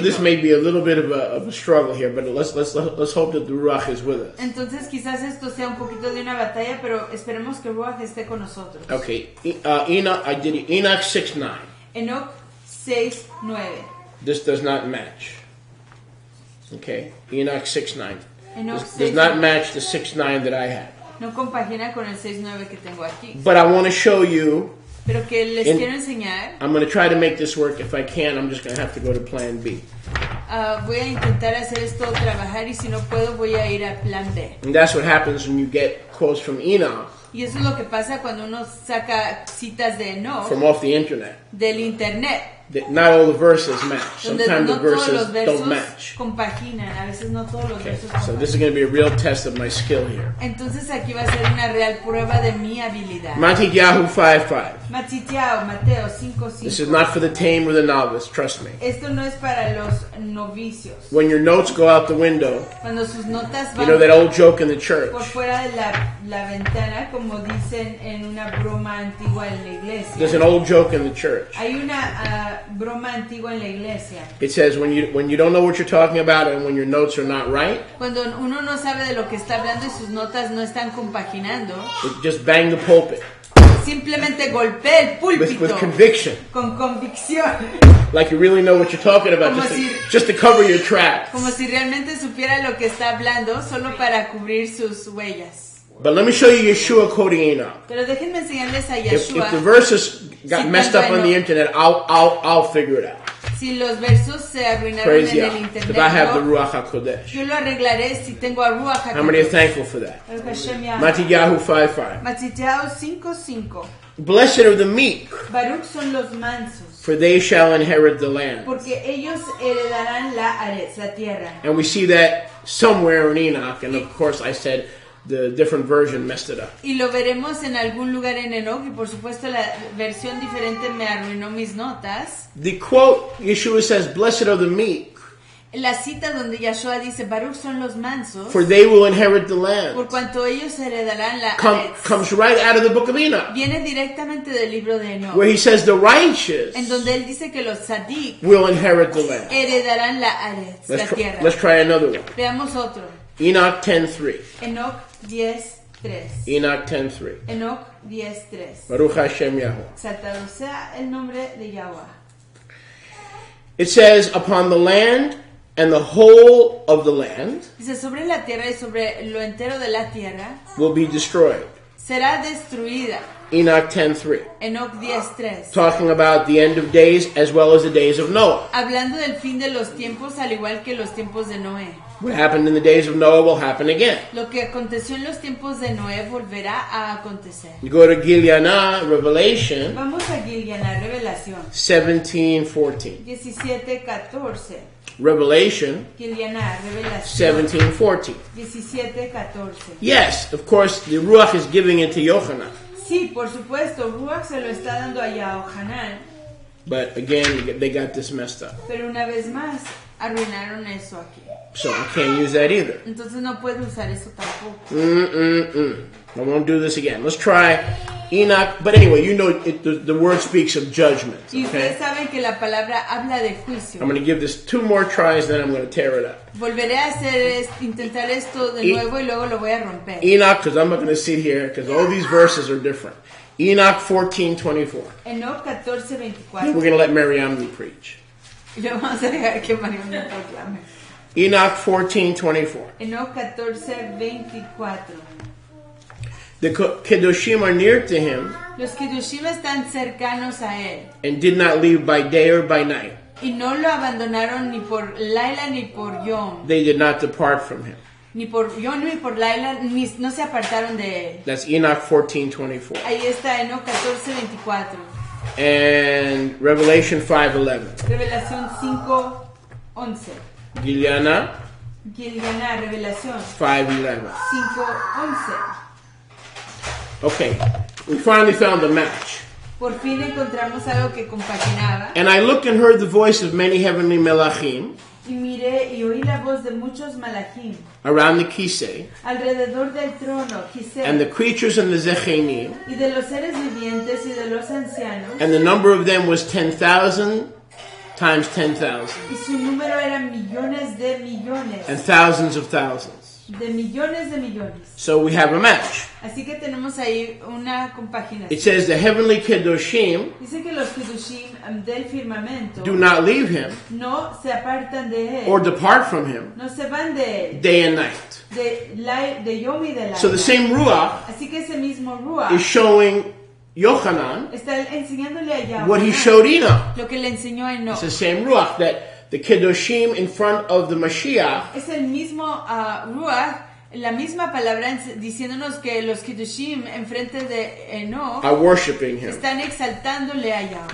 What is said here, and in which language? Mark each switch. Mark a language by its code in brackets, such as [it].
[en] So this may be a little bit of a struggle here, but let's hope that the Ruach is with us. [es] Entonces quizás esto sea un poquito de una batalla, pero esperemos que Ruach esté con nosotros. [en] Okay, Enoch 6:9. [es] Enoch 6:9. [en] This does not match. Okay, Enoch 6:9. Enoch does not match the 6:9 that I had. [es] No compagina con el 6:9 que tengo aquí. [en] But I want to show you. [es] Pero que les quiero enseñar. [en] I'm going to try to make this work. If I can't, I'm just going to have to go to plan B. [es] Voy a intentar hacer esto trabajar y si no puedo voy a ir a plan B. [en] And that's what happens when you get quotes from Enoch. [es] Y eso es lo que pasa cuando uno saca citas de Enoch. [en] From off the internet. [es] Del internet. [en] Not all the verses match. Sometimes [es] no [en] the verses don't match. [es] Compaginan. A veces no todos los [en] okay. [es] versos compaginan. [en] So this is going to be a real test of my skill here. [es] Entonces aquí va a ser una real prueba de mi habilidad. [en] Matityahu 5:5. [es] Matityahu, Mateo 5:5. [en] This is not for the tame or the novice, trust me. [es] Esto no es para los novicios. [en] When your notes go out the window, [es] cuando sus notas van, [en] you know that old joke in the church. [es] Por fuera de la ventana, como dicen en una broma antigua en la iglesia. [en] There's an old joke in the church. [es] Hay una broma antigua en la iglesia. [en] It says when you don't know what you're talking about and when your notes are not right. [es] Cuando uno no sabe de lo que está hablando y sus notas no están compaginando. [en] Just bang the pulpit. [es] Simplemente golpea el púlpito. [en] With conviction. [es] Con convicción. [en] Like you really know what you're talking about, just to cover your tracks. [es] Como si realmente supiera lo que está hablando solo para cubrir sus huellas. [en] But let me show you Yeshua quoting Enoch. [es] Pero déjenme enseñarles a Yeshua. [en] If the verses got messed up on the internet, I'll figure it out. [es] Si los versos se arruinaron en el internet, [en] if I have the Ruach HaKodesh. [es] Yo lo arreglaré si tengo a Ruach HaKodesh. [en] How many are thankful for that? Matityahu 5:5. [es] Matityahu 5:5. [en] Blessed are the meek. [es] Baruch son los mansos. [en] For they shall inherit the land. [es] Porque ellos heredarán la ares, la tierra. [en] And we see that somewhere in Enoch. And of course I said the different version messed it up. [es] Y lo veremos en algún lugar en Enoch, y por supuesto la versión diferente me arruinó mis notas. [en] The quote Yeshua says, "Blessed are the meek." [es] La cita donde Yeshua dice, "Baruch son los mansos." [en] For they will inherit the land. [es] Por cuanto ellos heredarán la. [en] Comes right out of the book of Enoch. [es] Viene directamente del libro de Enoch. [en] Where he says the righteous. [es] En donde él dice que los tzadik [en] will inherit the land. [es] Heredarán la aretz, la tierra. [en] Let's try another one. [es] Veamos otro. [en] Enoch 10:3. [es] Enoch 10:3. [en] Enoch 10:3. [es] Enoch 10:3. [he] Baruch Hashem Yahweh. [es] Satado sea el nombre de Yahweh. [en] It says, upon the land and the whole of the land. [es] Dice, sobre la tierra y sobre lo entero de la tierra. [en] Will be destroyed. [es] Será destruida. [en] Enoch 10:3. [es] Enoch 10:3. [en] Talking about the end of days as well as the days of Noah. [es] Hablando del fin de los tiempos al igual que los tiempos de Noé. [en] What happened in the days of Noah will happen again. [es] Lo que aconteció en los tiempos de Noé volverá a acontecer. [en] You go to Gileana, Revelation. [es] Vamos a Gileana, Revelación. [en] 17:14. Revelation. [es] Gileana, Revelación. [en] 17:14. [es] 17:14. [en] Yes, of course, the Ruach is giving it to Yohanan. [es] Sí, por supuesto, Ruach se lo está dando a Yohanan. [en] But again, they got this messed up. [es] Pero una vez más, arruinaron eso aquí. [en] So I can't use that either. [es] Entonces no puedo usar eso tampoco. [en] I won't do this again. Let's try Enoch. But anyway, you know it, the word speaks of judgment. [es] Y ustedes saben que la palabra habla de juicio. [en] I'm going to give this two more tries, then I'm going to tear it up. [es] Volveré a hacer intentar esto de nuevo y luego lo voy a romper. [en] Enoch, because I'm not going to sit here, because all these verses are different. Enoch 14:24. [es] Enoch 14:24. [en] We're going to let Mariamne preach. [es] Yo vamos a dejar que Mariamne proclame. [en] Enoch 14:24. [es] Enoch 14:24. [en] The Kedoshim are near to him. [es] Los Kedoshim están cercanos a él. [en] And did not leave by day or by night. [es] Y no lo abandonaron ni por Laila ni por Yom. [en] They did not depart from him. [es] Ni por Yom ni por Laila ni, no se apartaron de él. [en] That's Enoch 14:24. [es] Ahí está Enoch 14:24. [en] And Revelation 5:11. [es] Revelación 5:11. [en] Gileana. [es] Gileana, Revelación. [en] 5:11. [es] 5:11. [en] Okay, we finally found a match. [es] Por fin encontramos algo que compaginaba. [en] And I looked and heard the voice of many heavenly melachim. [es] Y miré y oí la voz de muchos malachim. [en] Around the kisei. [es] Alrededor del trono, kisei. [en] And the creatures and the zechenim. [es] Y de los seres vivientes y de los ancianos. [en] And the number of them was 10,000 times 10,000. [es] Y su número era millones de millones. [en] And thousands of thousands. [es] De millones de millones. [en] So we have a match. [es] Así que tenemos ahí una compaginación. [en] It says the heavenly kedoshim. [es] Dice que los kedoshim del firmamento. [en] Do not leave him. [es] No se apartan de él. [en] Or depart from him. [es] No se van de él. [en] Day and night. [es] De yom y de laila. [en] So the same ruach. [es] Así que ese mismo ruach. [en] Is showing Yochanan. [es] Está enseñándole a Yochanan. [en] What he showed Enoch. [es] Lo que le enseñó a Enoch. [en] It's the same ruach that. The kedoshim in front of the Mashiach. [es] Es el mismo ruach, la misma palabra diciéndonos que los kedoshim en frente de Enoch. [en] Are worshiping him. [es] Están exaltándole a Yah.